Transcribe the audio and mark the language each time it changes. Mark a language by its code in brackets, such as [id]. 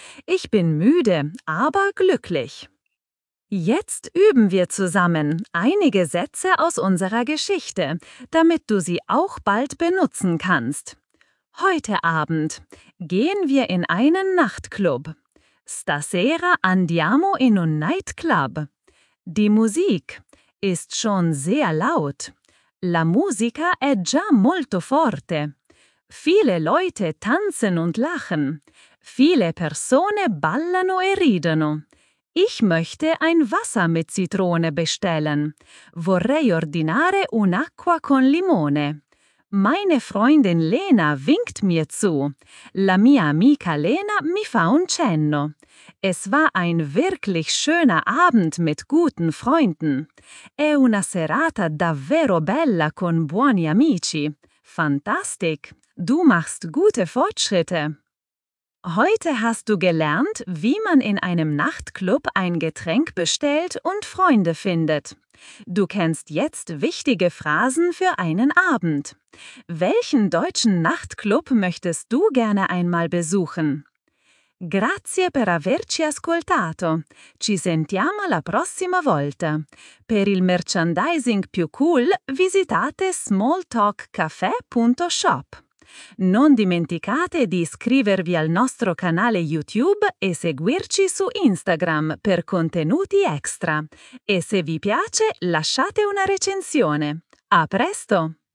[de] Ich bin müde, aber glücklich. Jetzt üben wir zusammen einige Sätze aus unserer Geschichte, damit du sie auch bald benutzen kannst. Heute Abend gehen wir in einen Nachtclub. [it] Stasera andiamo in un nightclub. [de] Die Musik ist schon sehr laut. [it] La musica è già molto forte. [de] Viele Leute tanzen und lachen. [it] Viele persone ballano e ridono. [de] Ich möchte ein Wasser mit Zitrone bestellen. [it] Vorrei ordinare un'acqua con limone. [de] Meine Freundin Lena winkt mir zu. [it] La mia amica Lena mi fa un cenno. [de] Es war ein wirklich schöner Abend mit guten Freunden. [it] È una serata davvero bella con buoni amici. [en] Fantastic! [de] Du machst gute Fortschritte. Heute hast du gelernt, wie man in einem Nachtclub ein Getränk bestellt und Freunde findet. Du kennst jetzt wichtige Phrasen für einen Abend. Welchen deutschen Nachtclub möchtest du gerne einmal besuchen? [it] Grazie per averci ascoltato. Ci sentiamo la prossima volta. Per il merchandising più cool, visitate smalltalkcafè.shop. Non dimenticate di iscrivervi al nostro canale YouTube e seguirci su Instagram per contenuti extra. E se vi piace, lasciate una recensione. A presto!